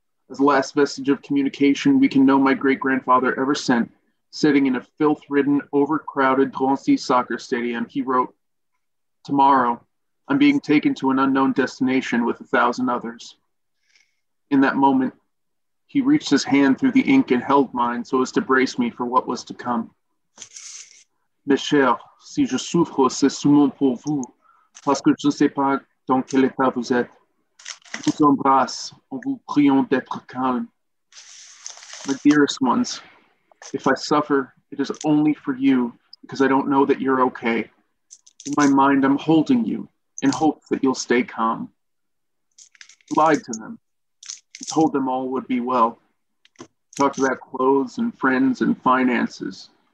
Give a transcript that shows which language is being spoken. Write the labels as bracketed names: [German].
[English] As the last vestige of communication, we can know my great-grandfather ever sent, sitting in a filth-ridden, overcrowded Drancy soccer stadium, he wrote, "Tomorrow, I'm being taken to an unknown destination with 1,000 others." In that moment, he reached his hand through the ink and held mine so as to brace me for what was to come. [French] "Mes chers, si je souffre, c'est seulement pour vous, parce que je ne sais pas dans quel état vous êtes. Vous embrasse, en vous priant d'être calme." [English] My dearest ones, if I suffer, it is only for you, because I don't know that you're okay. In my mind, I'm holding you in hope that you'll stay calm. I lied to them, I told them all would be well. I talked about clothes and friends and finances.